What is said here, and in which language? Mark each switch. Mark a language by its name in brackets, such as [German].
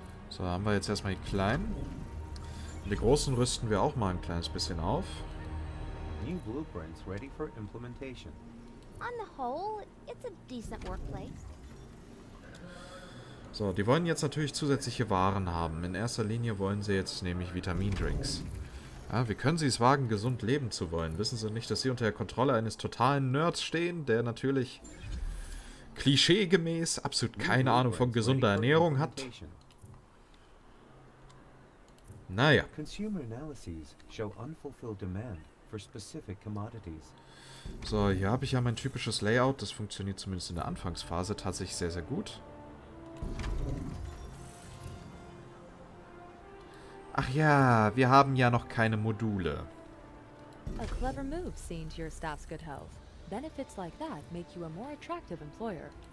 [German] So, haben wir jetzt erstmal die Kleinen. Und die Großen rüsten wir auch mal ein kleines bisschen auf. [English] New blueprints ready for implementation. On the whole, it's a decent workplace. [German] So, die wollen jetzt natürlich zusätzliche Waren haben. In erster Linie wollen sie jetzt nämlich Vitamindrinks. Ja, wie können sie es wagen, gesund leben zu wollen? Wissen sie nicht, dass sie unter der Kontrolle eines totalen Nerds stehen, der natürlich klischeegemäß absolut keine Ahnung von gesunder Ernährung hat? Naja. [English] Consumer analyses show unfulfilled demand for specific commodities. [German] So, hier habe ich ja mein typisches Layout. Das funktioniert zumindest in der Anfangsphase tatsächlich sehr, sehr gut. Ach ja, wir haben ja noch keine Module. [English] A clever move seeing to your staff's good health. Benefits like that make you a more attractive employer.